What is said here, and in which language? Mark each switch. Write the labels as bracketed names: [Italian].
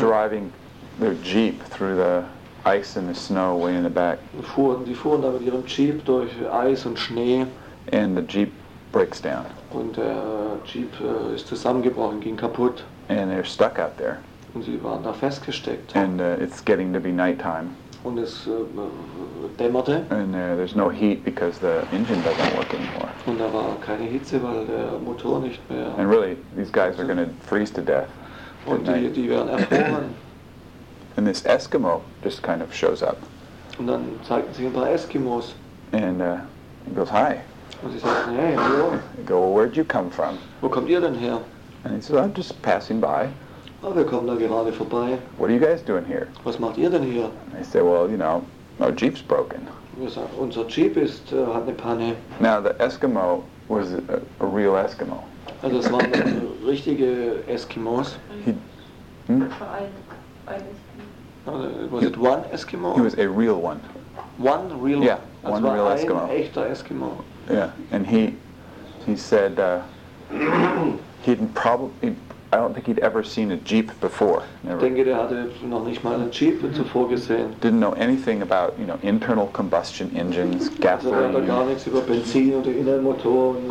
[English] They're driving their Jeep through the ice and the snow way in the back. [German] Die fuhren da mit ihrem Jeep durch Eis und Schnee. [English] And the Jeep breaks down. [German] Und der Jeep ist zusammengebrochen, ging kaputt. [English] And they're stuck out there. [German] Und sie waren da festgesteckt. [English] And it's getting to be nighttime. [German] Und es dämmerte. [English] And there's no heat because the engine doesn't work anymore. [German] Und da war keine Hitze, weil der Motor nicht mehr. [English] And really, these guys are going to freeze to death. [German] Und die werden erfroren. [English] And this Eskimo just kind of shows up. [German] Und dann zeigen sich ein paar Eskimos. [English] And he goes, hi. [German] Und sie sagen, hey, hallo. [English] I go, well, where'd you come from? [German] Wo kommt ihr denn her? [English] And he says, I'm just passing by. [German] Oh, wir kommen da gerade vorbei. [English] What are you guys doing here? [German] Was macht ihr denn hier? [English] They say, well, you know, our Jeep's broken. [German] Wir sagen, unser Jeep ist, hat eine Panne. [English] Now, the Eskimo was a real Eskimo. [German] Also es waren richtige Eskimos. [English] One Eskimo? He was a real one. One real? Yeah, one real Eskimo. [German] Ein echter Eskimo. [English] Yeah, and he said I don't think he'd ever seen a Jeep before. Never. [German] Ich denke, der hatte noch nicht mal einen Jeep zuvor gesehen. [English] Didn't know anything about, you know, internal combustion engines, gasoline. [German] Also, er hatte gar nichts über Benzin oder inneren Motoren.